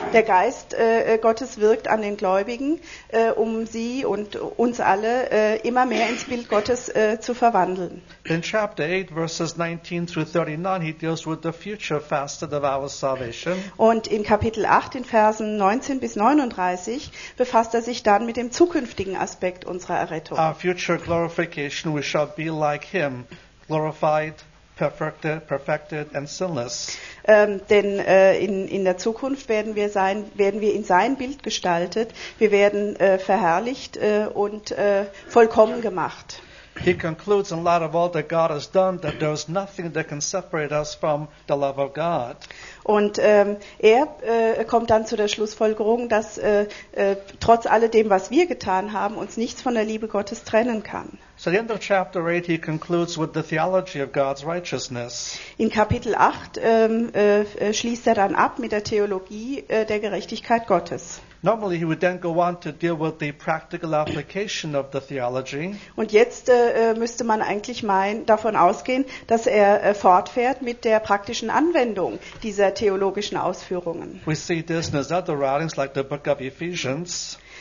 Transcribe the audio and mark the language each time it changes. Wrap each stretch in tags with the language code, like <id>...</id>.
<de>Der Geist Gottes wirkt an den Gläubigen, um sie und uns alle immer mehr ins Bild Gottes zu verwandeln.</de> <en>In chapter 8, verses 19 through 39, he deals with the future facet of our salvation.</en> <de>Und in Kapitel 8, in Versen 19 bis 39, befasst sich dann mit dem zukünftigen Aspekt unserer Errettung.</de> <en>Our future glorification, we shall be like him, glorified, perfected and sinless.</en> <de>Denn in der Zukunft werden wir in sein Bild gestaltet, wir werden verherrlicht und vollkommen gemacht.</de> <en>He concludes in light of all that God has done that there is nothing that can separate us from the love of God.</en> <de>Und kommt dann zu der Schlussfolgerung, dass trotz alledem, was wir getan haben, uns nichts von der Liebe Gottes trennen kann.</de> <en>So at the end of chapter 8 he concludes with the theology of God's righteousness.</en> <de>In Kapitel 8 schließt dann ab mit der Theologie der Gerechtigkeit Gottes.</de> <en>Normally he would then go on to deal with the practical application of the theology.</en> <de>Und jetzt müsste man eigentlich meinen, davon ausgehen, dass fortfährt mit der praktischen Anwendung dieser theologischen Ausführungen.</de> <en>We see this in his other writings like the book of Ephesians.</en>